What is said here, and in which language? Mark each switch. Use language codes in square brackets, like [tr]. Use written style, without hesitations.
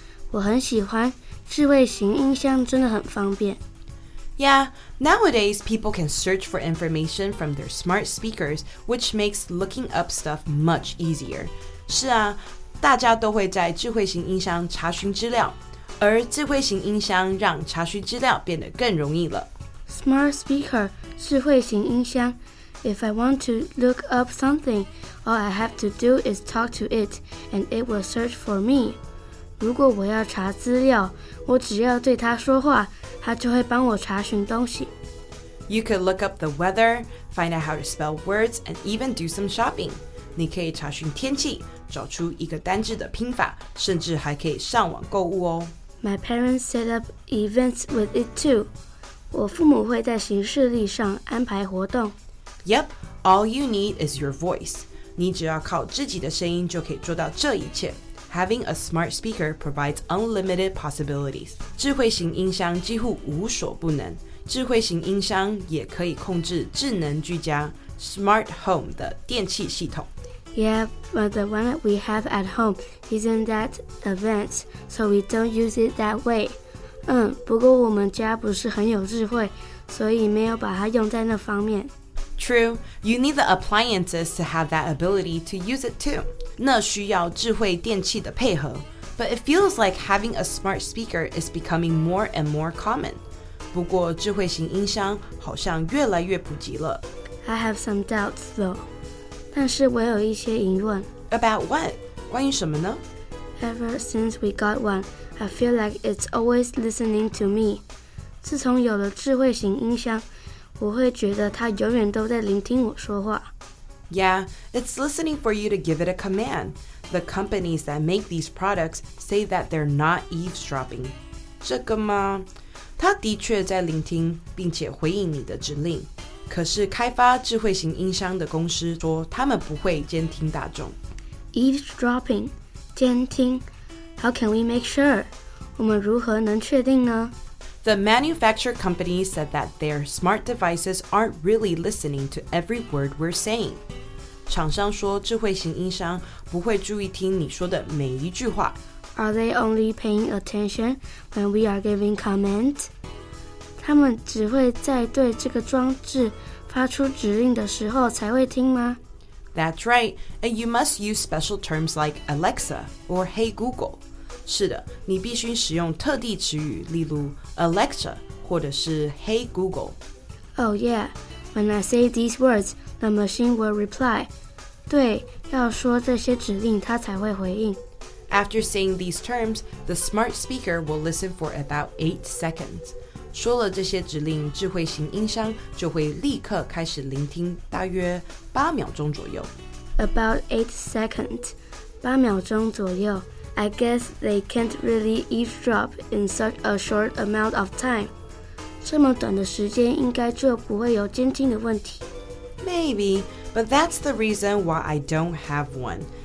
[zh] 我很喜欢，智慧型音箱真的很方便。 [en] Yeah, nowadays people can search for information from their smart speakers, which makes looking up stuff much easier. [zh] 是啊，大家都会在智慧型音箱查询资料，而智慧型音箱让查询资料变得更容易了。 [en] Smart speaker, [zh] 智慧型音箱。 [en] If I want to look up something, all I have to do is talk to it, and it will search for me. [zh] 如果我要查资料，我只要对它说话，它就会帮我查询东西。 [en] You could look up the weather, find out how to spell words, and even do some shopping. [zh] 你可以查询天气，找出一个单字的拼法，甚至还可以上网购物哦。 [en] My parents set up events with it too. [zh] 我父母会在行事历上安排活动。 [en] Yep, all you need is your voice. [zh] 你只要靠自己的声音就可以做到这一切。 [en] Having a smart speaker provides unlimited possibilities. [zh] 智慧型音箱几乎无所不能。智慧型音箱也可以控制智能居家 smart home 的电器系统。 [en] Yeah, but the one that we have at home isn't that advanced, so we don't use it that way. [zh] 不过我们家不是很有智慧，所以没有把它用在那方面。 [en] True, you need the appliances to have that ability to use it too. [zh] 那需要智慧电器的配合。 [en] But it feels like having a smart speaker is becoming more and more common. [zh] 不过智慧型音箱好像越来越普及了。 [en] I have some doubts though. [zh] 但是我有一些疑问。 [en] About what? [zh] 关于什么呢？ [en] Ever since we got one, I feel like it's always listening to me. [zh] 自从有了智慧型音箱，我会觉得它永远都在聆听我说话。 [en] Yeah, it's listening for you to give it a command. The companies that make these products say that they're not eavesdropping. [zh] 这个吗？它的确在聆听并且回应你的指令。可是开发智慧型音箱的公司说他们不会监听大众。 [en] Eavesdropping, 监听。How can we make sure? [zh] 我们如何能确定呢？ [en] The manufacturer company said that their smart devices aren't really listening to every word we're saying. [zh] 厂商说智慧型音箱不会注意听你说的每一句话。 [en] Are they only paying attention when we are giving command? [zh] 他们只会在对这个装置发出指令的时候才会听吗？ [en] That's right, and you must use special terms like Alexa or Hey Google. [zh] 是的，你必须使用特地词语，例如 Alexa 或者是 Hey Google. [en] Oh yeah, when I say these words, the machine will reply. [zh] 对，要说这些指令，它才会回应。 [en] After saying these terms, the smart speaker will listen for about 8 seconds. [zh] 说了这些指令，智慧型音箱就会立刻开始聆听，大约8秒钟左右。 [en] About 8 seconds, [zh] 8秒钟左右。 [en] I guess they can't really eavesdrop in such a short amount of time. [zh] 这么短的时间应该就不会有监听的问题。 [en] Maybe, but that's the reason why I don't have one.